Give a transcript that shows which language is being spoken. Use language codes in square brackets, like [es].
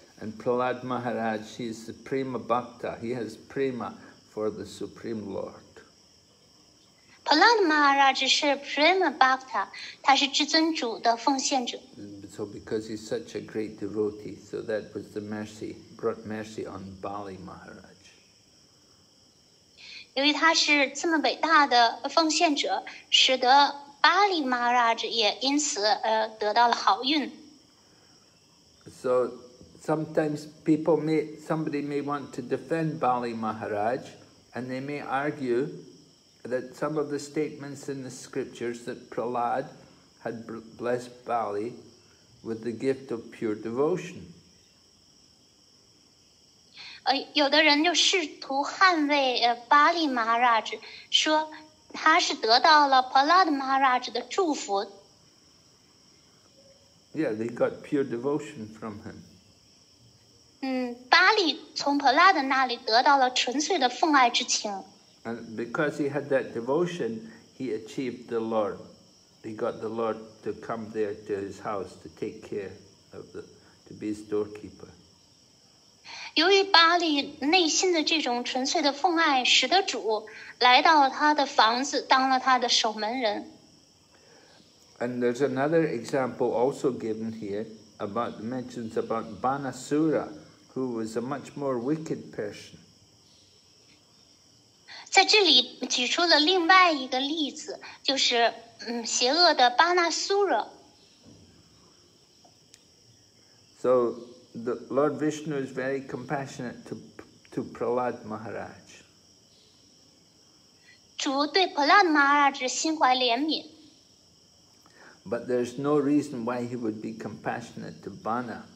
[en] And Prahlad Maharaj, he is the prima bhakta. He has prima for the Supreme Lord. [zh] Prahlad Maharaj 是 prima bhakta, 他是至尊主的奉献者。 [en] So because he's such a great devotee, so that was the mercy, brought mercy on Bali Maharaj. [zh] 由于他是这么伟大的奉献者，使得巴里马拉什也因此得到了好运。 [en] So sometimes somebody may want to defend Bali Maharaj, and they may argue that some of the statements in the scriptures that Prahlad had blessed Bali with the gift of pure devotion. [zh] 有的人就试图捍卫巴利马拉什，说他是得到了普拉德马拉什的祝福。 [en] Yeah, they got pure devotion from him. [zh] 巴利从普拉德那里得到了纯粹的奉爱之情。 [en] And because he had that devotion, he achieved the Lord. He got the Lord to come there to his house to take care of the, to be his doorkeeper. [zh] 由于巴利内心的这种纯粹的奉爱，使得主来到他的房子，当了他的守门人。 [en] And there's another example also given here about mentions about Banasura, who was a much more wicked person. [zh] 在这里举出了另外一个例子，就是邪恶的巴纳苏拉。 [en] So. The Lord Vishnu is very compassionate to Prahlad Maharaj. [zh] 主对 Prahlad Maharaj 心怀怜悯。 [en] But there's no reason why he would be compassionate to Bana.